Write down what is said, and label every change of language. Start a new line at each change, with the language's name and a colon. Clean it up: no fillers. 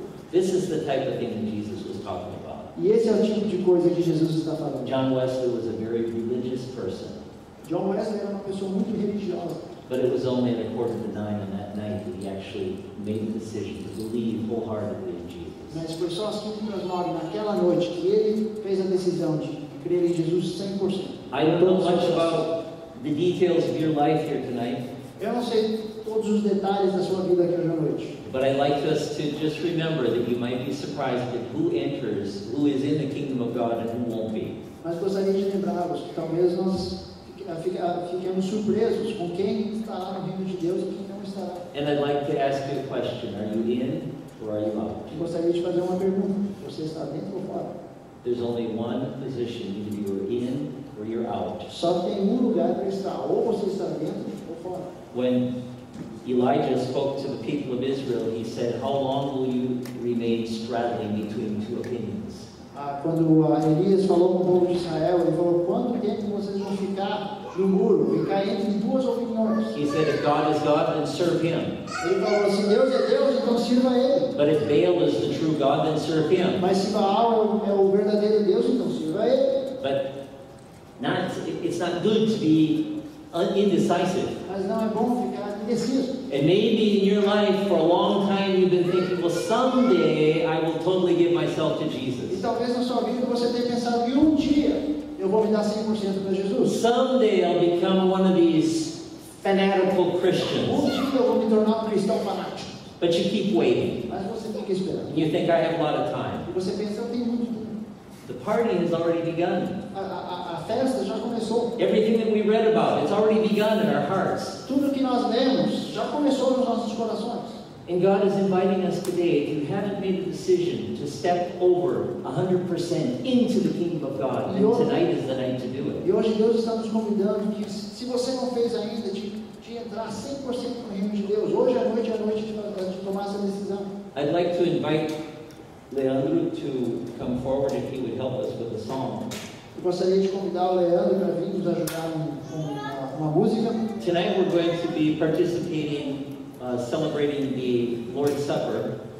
English: This is the type of thing that Jesus was talking about.
Portuguese: E esse é o tipo de coisa que Jesus está falando.
English: John Wesley was a very religious person.
Portuguese: John Wesley era uma pessoa muito religiosa.
English: But it was only at a quarter to nine on that night that he actually made the decision to believe wholeheartedly in Jesus.
Portuguese: Mas foi só às 5 para as 9 naquela noite que ele fez a decisão de crer em Jesus 100%.
English: I don't know much about the details of your life here tonight.
Portuguese: Eu não sei todos os detalhes da sua vida aqui hoje à noite.
English: But I'd like us to just remember that you might be surprised at who enters, who is in the kingdom of God and who won't be.
Portuguese: Mas gostaria de lembrar-vos que talvez nós fiquemos surpresos com quem estará no reino de Deus e quem não estará.
English: And I'd like to ask you a question. Are you in or are you out?
Portuguese: Eu gostaria de fazer uma pergunta. Você está dentro ou fora?
English: There's only one position. Either you are in or you're out.
Portuguese: Só tem lugar para estar, ou você está dentro ou fora.
English: When Elijah spoke to the people of Israel, he said, how long will you remain straddling between two opinions?
Portuguese: Quando Elias falou com o povo de Israel, ele falou, quanto tempo vocês vão ficar no muro, ficar entre duas opiniões?
English: He said, if God is God, then serve him.
Portuguese: Ele falou, se Deus é Deus, então sirva ele.
English: But if Baal is the true God, then serve him.
Portuguese: Mas se Baal é o verdadeiro Deus, então sirva ele.
English: But not, it's not good to be indecisive.
Portuguese: Mas não é bom ficar indeciso.
English: And maybe in your life for a long time you've been thinking, well, someday I will totally give myself to Jesus.
Portuguese: E talvez na sua vida você tenha pensado que um dia eu vou me dar 100% para Jesus.
English: Someday I'll become one of these fanatical Christians.
Portuguese: Um dia eu vou me tornar um cristão fanático.
English: But you keep waiting.
Portuguese: Mas você tem que esperar.
English: And you think I have a lot of time.
Portuguese: E você pensa, eu tenho muito tempo.
English: The party has already begun.
Portuguese: Festa já começou.
English: Everything that we read about, it's already begun in our hearts.
Portuguese: Tudo que nós lemos já começou nos nossos corações.
English: And God is inviting us today, if you haven't made the decision to step over 100% into the kingdom of God,
Portuguese: e hoje,
English: and tonight is the night to do it.
Portuguese: E hoje Deus está nos convidando que se você não fez ainda de entrar 100% no reino de Deus, hoje é a noite de tomar essa decisão.
English: I'd like to invite Leandro to come forward if he would help us with a song.
Portuguese: Eu gostaria de convidar o Leandro para vir nos ajudar com uma música.
English: Tonight we're going to be participating, celebrating the Lord's Supper.